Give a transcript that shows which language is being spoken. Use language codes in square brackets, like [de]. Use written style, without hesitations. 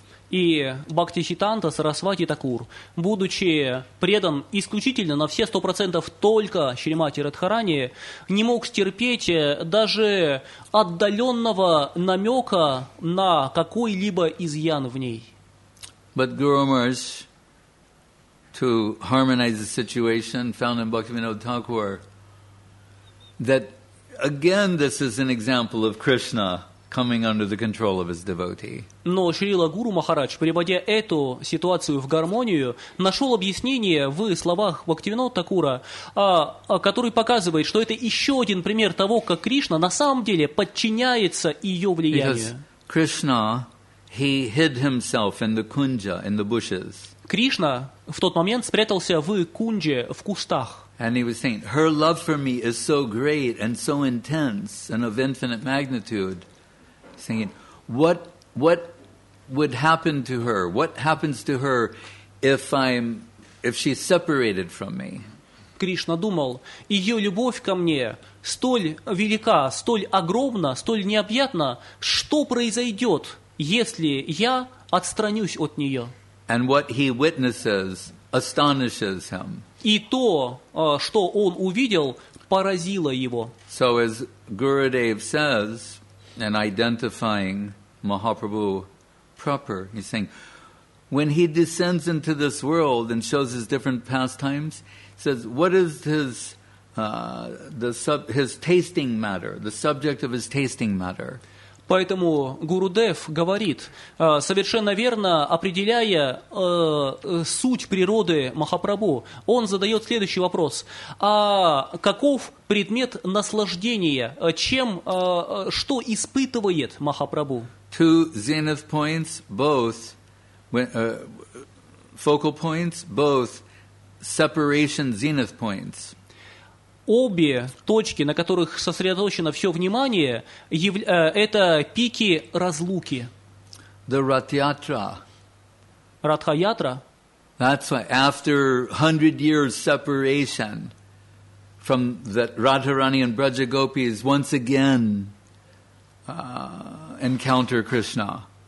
[ru] И Бхактисиддханта Сарасвати Такур, будучи предан исключительно на все 100% только Шримати Радхарани, не мог стерпеть даже отдаленного намека на какой-либо изъян в ней. [en] But Guru Maharaj, to harmonize the situation, found in Bhaktivinoda Thakur that again this is an example of Krishna coming under the control of his devotee. [ru] Но Шрила Гуру Махарадж, приводя эту ситуацию в гармонию, нашел объяснение в словах Бхактивинода Такура, который показывает, что это еще один пример того, как Кришна на самом деле подчиняется ее влиянию. [en] Because Krishna, he hid himself in the kunja, in the bushes. [ru] Кришна в тот момент спрятался в кунже, в кустах. [en] And he was saying, her love for me is so great and so intense and of infinite magnitude. Saying, what would happen to her? What happens to her if she's separated from me? [ru] Кришна думал, ее любовь ко мне столь велика, столь огромна, столь необъятна. Что произойдет, если я отстранюсь от нее? [en] And what he witnesses astonishes him. [ru] И то, что он увидел, поразило его. [en] So as Gurudev says, and identifying Mahaprabhu proper, he's saying, when he descends into this world and shows his different pastimes, he says, what is his tasting matter, the subject of his tasting matter? [ru] Поэтому Гурудев говорит, совершенно верно определяя суть природы Махапрабху, он задает следующий вопрос. А каков предмет наслаждения? Чем, что испытывает Махапрабху? [en] Two zenith points, both focal points, both separation zenith points. [ru] Обе точки, на которых сосредоточено все внимание, это пики разлуки. [en] The Ratha-yatra. [ru] Ратха-ятра. [en] That's why after 100 years separation from the Radharani and Brajagopis once again encounter Krishna.